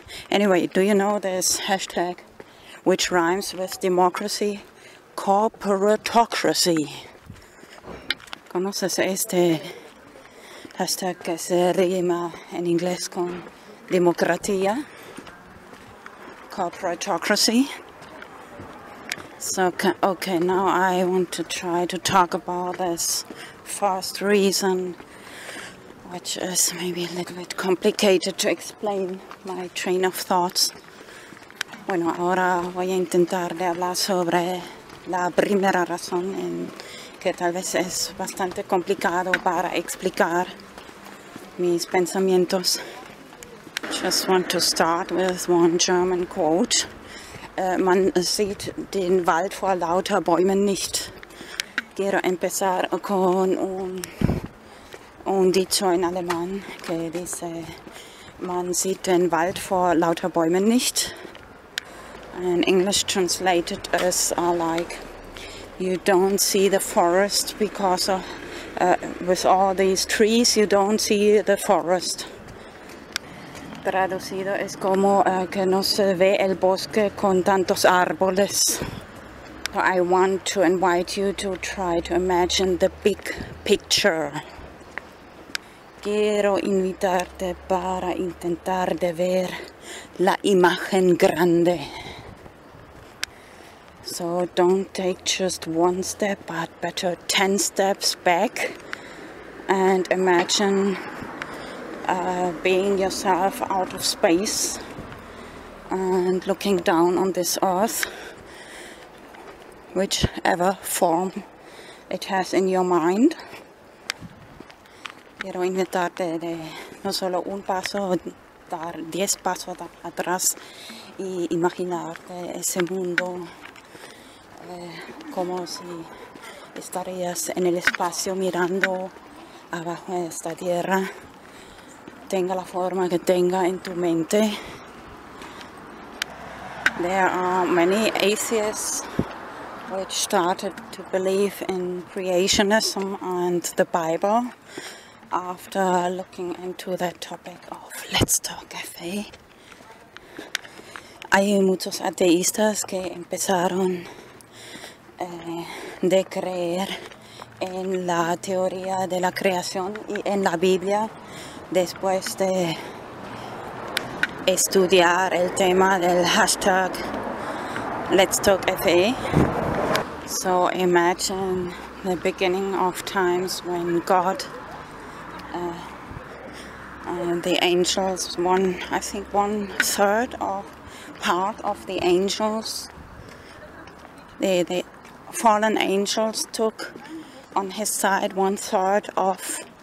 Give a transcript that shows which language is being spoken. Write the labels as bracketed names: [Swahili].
[English] Anyway, do you know this hashtag which rhymes with democracy? Corporatocracy. [Spanish] ¿Conoces este hashtag que se rima en inglés con democracia? [English] Corporatocracy. So, okay, now I want to try to talk about this first reason, which is maybe a little bit complicated to explain my train of thoughts. [Spanish] Bueno, ahora voy a intentar de hablar sobre la primera razón, en que tal vez es bastante complicado para explicar mis pensamientos. [English] Just want to start with one German quote. [German] Man sieht den Wald vor lauter Bäumen nicht. [Spanish] Quiero empezar con un dicho en alemán que dice: [German] man sieht den Wald vor lauter Bäumen nicht. [English] And English translated is like, you don't see the forest because of with all these trees, you don't see the forest. [Spanish] Traducido es como que no se ve el bosque con tantos árboles. [English] So I want to invite you to try to imagine the big picture. [Spanish] Quiero invitarte para intentar de ver la imagen grande. [English] So don't take just one step, but better 10 steps back and imagine being yourself out of space and looking down on this earth, whichever form it has in your mind. [Spanish] Quiero invitarte de no solo un paso, dar 10 pasos atrás y imaginarte ese mundo como si estarías en el espacio mirando abajo de esta tierra, tenga la forma que tenga en tu mente. [English] There are many atheists which started to believe in creationism and the Bible after looking into that topic of Let's Talk Cafe. [Spanish] Hay muchos ateístas que empezaron de creer en la teoría de la creación y en la Biblia después de estudiar el tema del hashtag Let's Talk Cafe. [English] So imagine the beginning of times when God the angels, part of the angels, the fallen angels took on his side one third of